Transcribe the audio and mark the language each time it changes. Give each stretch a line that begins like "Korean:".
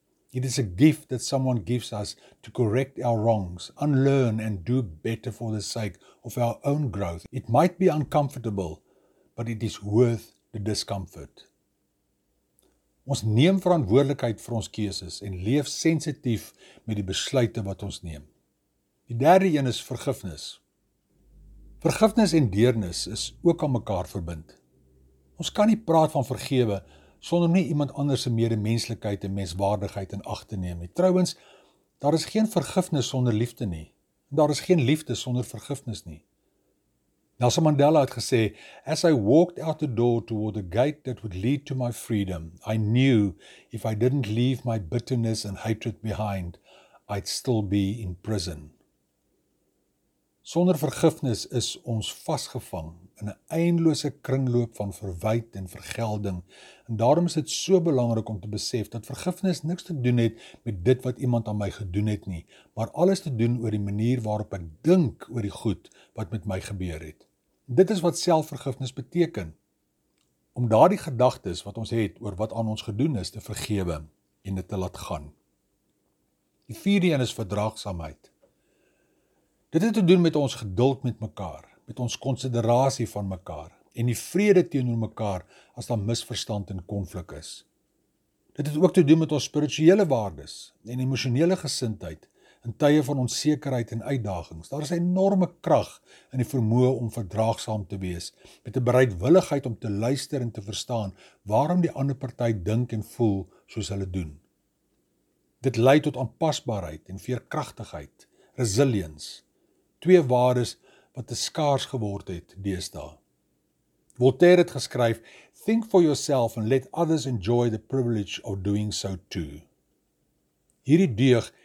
English: It is a gift that someone gives us to correct our wrongs, unlearn and do better for the sake of our own growth. It might be uncomfortable, but it is worth the discomfort."
Afrikaans: Ons neem verantwoordelikheid vir ons keuses en leef sensitief met die besluite wat ons neem. Die derde een is vergifnis. Vergifnis en deernis is ook aan mekaar verbind. Ons kan nie praat van vergewe sonder nie iemand anders se medemenslikheid en menswaardigheid in ag te neem nie. Trouwens, daar is geen vergifnis sonder liefde nie. Daar is geen liefde sonder vergifnis nie.
English: Nelson Mandela
Afrikaans: het gesê,
English: "As I walked out the door toward the gate that would lead to my freedom, I knew if I didn't leave my bitterness and hatred behind, I'd still be in prison."
Afrikaans: Sonder vergifnis is ons vasgevang in 'n eindelose kringloop van verwyte en vergelding. En daarom is dit so belangrik om te besef dat vergifnis niks te doen het met dit wat iemand aan my gedoen het nie, maar alles te doen oor die manier waarop ek dink oor die goed wat met my gebeur het. Dit is wat selfvergifnis beteken, om daardie gedagtes wat ons het oor wat aan ons gedoen is te vergewe en dit te laat gaan. Die vierde een is verdraagsaamheid. Dit het te doen met ons geduld met mekaar, met ons konsiderasie van mekaar en die vrede teenoor mekaar as daar misverstand en konflik is. Dit het ook te doen met ons spirituele waardes en emosionele gesindheid in tye van onsekerheid en uitdagings. Daar is 'n enorme krag in die vermoë om verdraagsaam te wees, met 'n bereidwilligheid om te luister en te verstaan waarom die ander party dink en voel soos hulle doen. Dit lei tot aanpasbaarheid en veerkragtigheid. Resilience, twee waardes wat te skaars geword het deesdae.
English: Voltaire
Afrikaans: het geskryf,
English: "Think for yourself and let others enjoy the privilege of doing so too."
Afrikaans: Hierdie deug